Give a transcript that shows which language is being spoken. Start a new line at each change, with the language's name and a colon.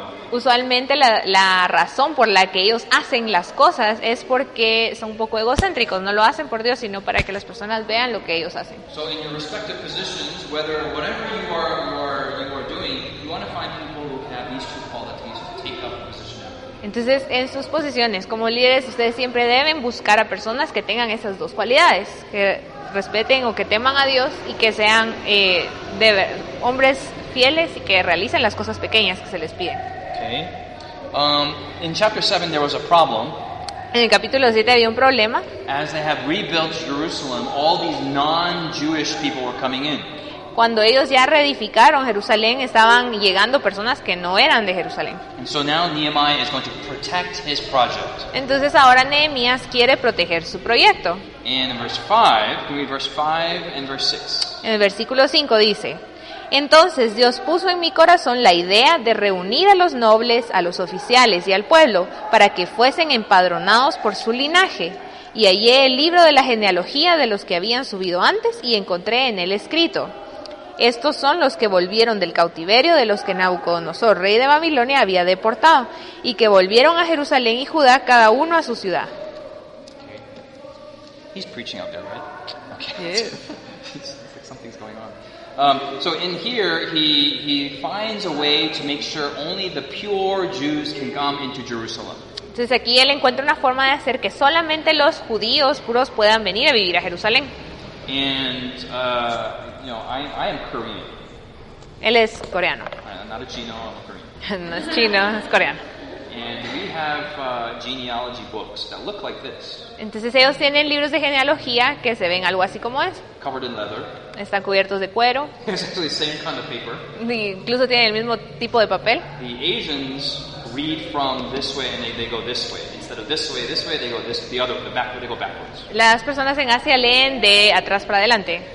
Spanish: Usualmente la razón por la que ellos hacen las cosas es porque son un poco egocéntricos, no lo hacen por Dios, sino para que las personas vean lo que ellos hacen.
English: So in your respective positions, whether whatever you are doing, you want to find people who have these two qualities to take up the position.
Spanish: Entonces, en sus posiciones como líderes, ustedes siempre deben buscar a personas que tengan esas dos cualidades, que respeten o que teman a Dios y que sean hombres fieles y que realicen las cosas pequeñas que se les piden.
English: Okay. In chapter 7 there was a problem.
Spanish: En el capítulo 7 había un problema.
English: As they have rebuilt Jerusalem, all these non-Jewish people were coming in.
Spanish: Cuando ellos ya reedificaron Jerusalén, estaban llegando personas que no eran de Jerusalén.
English: And so now Nehemiah is going to protect his project.
Spanish: Entonces ahora Nehemías quiere proteger su proyecto.
English: In verse 5, can we read verse 5 and verse 6?
Spanish: En el versículo 5 dice: Entonces Dios puso en mi corazón la idea de reunir a los nobles, a los oficiales y al pueblo para que fuesen empadronados por su linaje. Y hallé el libro de la genealogía de los que habían subido antes y encontré en él escrito: Estos son los que volvieron del cautiverio de los que Nabucodonosor, rey de Babilonia, había deportado y que volvieron a Jerusalén y Judá, cada uno a su ciudad.
English: Okay. He's preaching out there, right? Okay. Yeah. Something's going on. So in here he finds a way to make sure only the pure Jews can come into Jerusalem.
Spanish: Entonces aquí él encuentra una forma de hacer que solamente los judíos puros puedan venir a vivir a Jerusalén.
English: And I am Korean.
Spanish: Él es coreano.
English: I'm not a Chino, I'm a Korean.
Spanish: No es chino, es coreano.
English: And we have genealogy books that look like this.
Spanish: Entonces ellos tienen libros de genealogía que se ven algo así como es.
English: Covered in leather.
Spanish: Están cubiertos de cuero.
English: It's actually the same kind of paper.
Spanish: Incluso tienen el mismo tipo de papel.
English: The Asians read from this way and they go this way. Instead of this way, they go this, the other, the back, they go backwards.
Spanish: Las personas en Asia leen de atrás para adelante.